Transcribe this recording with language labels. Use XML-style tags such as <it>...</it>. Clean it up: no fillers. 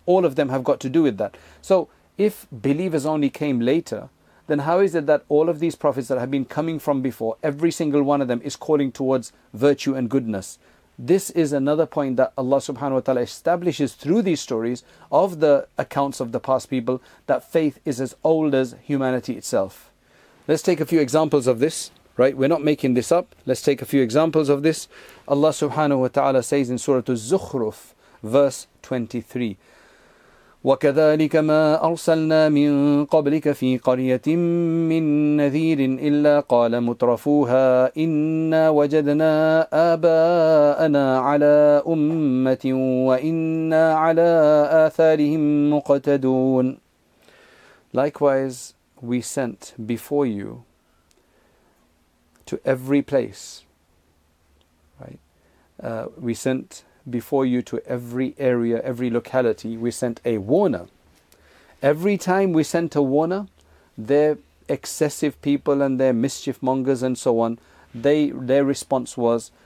<en>All of them have got to do with that. So if believers only came later, then how is it that all of these prophets that have been coming from before, every single one of them is calling towards virtue and goodness? This is another point that Allah subhanahu wa ta'ala establishes through these stories of the accounts of the past people, that faith is as old as humanity itself. Let's take a few examples of this, right? We're not making this up. Let's take a few examples of this. Allah subhanahu wa ta'ala says in Surah Az-Zukhruf, verse 23,</en> <ar>وَكَذَلِكَ مَا أَرْسَلْنَا مِنْ قَبْلِكَ فِي قَرْيَةٍ مِّنْ نَذِيرٍ إِلَّا قَالَ مُتْرَفُوهَا إِنَّا وَجَدْنَا آبَاءَنَا عَلَىٰ أُمَّةٍ وَإِنَّا عَلَىٰ آثَارِهِمْ مُقْتَدُونَ.</ar> <en>Likewise, we sent before you to every place, right? We sent before you to every area, every locality, we sent a warner. Every time we sent a warner, their excessive people and their mischief mongers and so on, their response was,</en>